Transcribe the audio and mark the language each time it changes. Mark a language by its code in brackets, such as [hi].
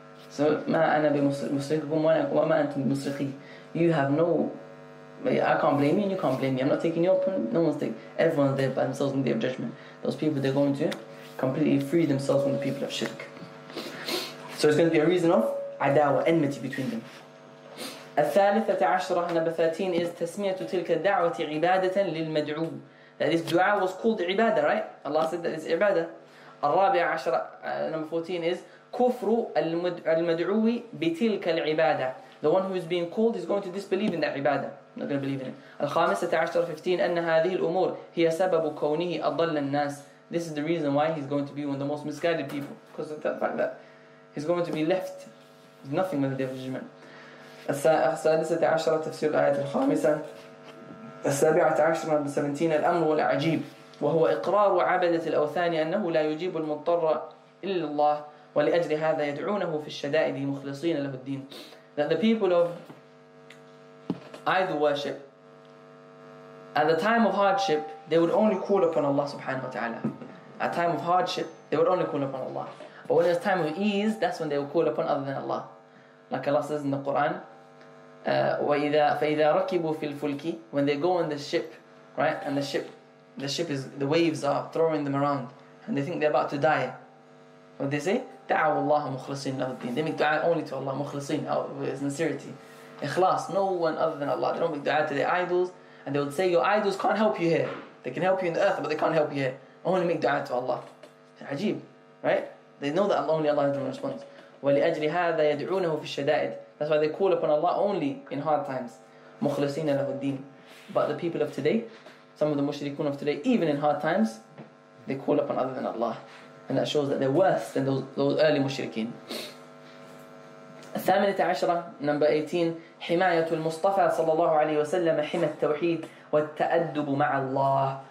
[ar] So مَا أَنَا بِمُسْرِقِكُمْ وَمَا أَنْتُمْ بِمُسْرِقِي. [en] You have no... I can't blame you and you can't blame me. I'm not taking your point. No one's taking... Everyone's there by themselves in the day of judgment. Those people, they're going to completely free themselves from the people of shirk. So it's going to be a reason of [ar] عداوة, [en] enmity between them. [ar] الثالثة عشرة [en] number 13 is [ar] تسمية تلك الدعوة عبادة للمدعو. [en] That this dua was called عبادة, right? Allah said that it's عبادة. [ar] الرابعة عشرة [en] number 14 is [ar] كفر المدعو بتلك العبادة. [en] The one who is being called is going to disbelieve in that عبادة. I'm not going to believe in it. [ar] الخامسة عشرة 15 أن هذه الأمور هي سبب كونه أضل الناس. [en] This is the reason why he's going to be one of the most misguided people. Because of the fact that he's going to be left with nothing with the day of judgment. [ar] السادسة عشرة تفسير الآية الخامسة. السابعة عشرة [en] 17 [ar] الأمر العجيب وهو إقرار عبدة الأوثان أنه لا يجيب المضطر إلا الله ولأجل هذا يدعونه في الشدائد مخلصين له الدين. [en] That the people of idol worship at the time of hardship, they would only call upon Allah subhanahu wa ta'ala. At time of hardship, they would only call upon Allah. But when it's time of ease, that's when they would call upon other than Allah. Like Allah says in the Quran, [ar] فَإِذَا رَكِبُوا فِي الْفُلْكِ. [en] When they go on the ship, right, and the ship is, the waves are throwing them around, and they think they're about to die, what they say? [ar] دعوا الله مخلصين له الدين. [en] They make dua only to Allah, مخلصين, with sincerity. إخلاص, no one other than Allah. They don't make dua to their idols, and they would say, your idols can't help you here. They can help you in the earth, but they can't help you here. Only make dua to Allah. عجيب, right? They know that only Allah is the response. [ar] ولأجل هذا يدعونه في الشدائد. [en] That's why they call upon Allah only in hard times. [ar] مخلصين له الدين. [en] But the people of today, some of the mushrikun of today, even in hard times, they call upon other than Allah. And that shows that they're worse than those early mushrikeen. [ar] الثامنة عشرة, number 18, حماية المصطفى صلى الله عليه وسلم حمى التوحيد والتأدب مع الله.